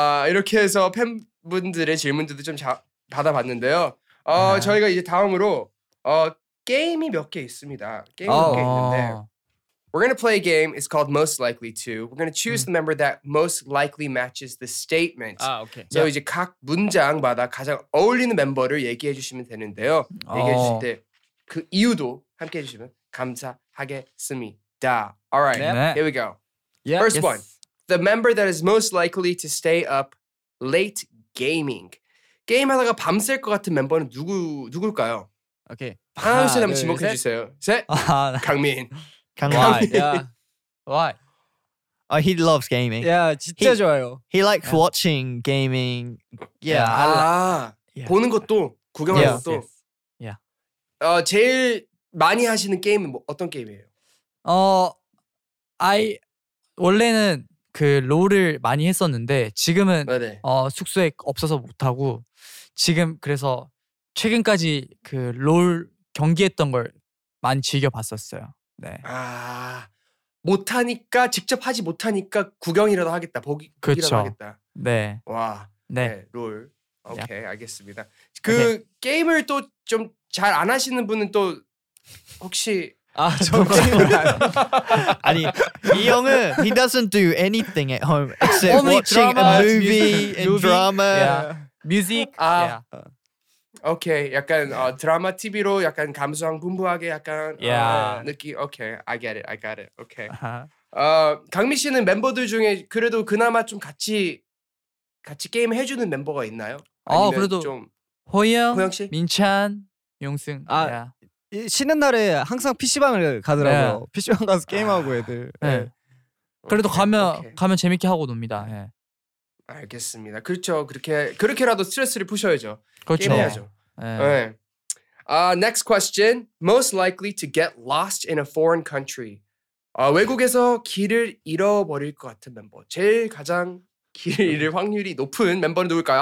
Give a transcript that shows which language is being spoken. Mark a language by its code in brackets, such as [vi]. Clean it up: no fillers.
[ko] 이렇게 해서 팬분들의 질문들도 좀 받아봤는데요. 저희가 이제 다음으로 게임이 몇 개 있습니다. 있는데 [en] We're gonna play a game. It's called Most Likely To. We're gonna choose the member that most likely matches the statement. [ko] 오케이. 그래서 이제 각 문장마다 가장 어울리는 멤버를 얘기해 주시면 되는데요. 얘기해 주실 때 그 이유도 함께 해주시면 감사하겠습니다. [en] All right. [ko] 네. [en] Here we go. Yeah, First yes. one. The member that is most likely to stay up late gaming. [ko] 게임하다가 밤샐 것 같은 멤버는 누굴까요? 오케이. 하나 둘 셋 한번 지목해 주세요. 셋. 강민. 강민. [en] Why? Yeah. Why? He loves gaming. [ko] Yeah, 진짜 좋아요. [en] He likes watching gaming. Yeah. 아, yeah. [ko] 보는 것도 구경하는 것도. [en] Yeah. [ko] 제일 많이 하시는 게임은 뭐 어떤 게임이에요? 원래는 그 롤을 많이 했었는데 지금은 숙소에 없어서 못 하고 지금 그래서 최근까지 그 롤 경기했던 걸 많이 즐겨 봤었어요. 네. 아. 못하니까 직접 하지 못하니까 구경이라도 하겠다. 보기라도 그렇죠. 하겠다. 네. 와. 네. 롤. 오케이. 알겠습니다. 그 게임을 또 좀 잘 안 하시는 분은 또 혹시 아, 저거. 아니, 이 형은 [en] he doesn't do anything at home except only watching drama, a movie, music, and drama, music. [ko] 아. 오케이. 약간 드라마 TV로 약간 감성 풍부하게 약간 느낌. [en] 오케이. I get it. I got it. 오케이. [ko] 강민 씨는 멤버들 중에 그래도 그나마 좀 같이 게임 해 주는 멤버가 있나요? 그래도 좀 호영 씨? 민찬, 용승. 아. 쉬는 날에 항상 PC방을 가더라고요. PC방 가서 게임하고 애들. 네. 그래도 오케이, 가면 재밌게 하고 놉니다. 네. 알겠습니다. 그렇죠. 그렇게라도 스트레스를 푸셔야죠. 그렇죠. 게임해야죠. 네. 네. [en] Next question. Most likely to get lost in a foreign country. [ko] 외국에서 길을 잃어버릴 것 같은 멤버. 제일 가장 길을 잃을 확률이 높은 멤버는 누굴까요?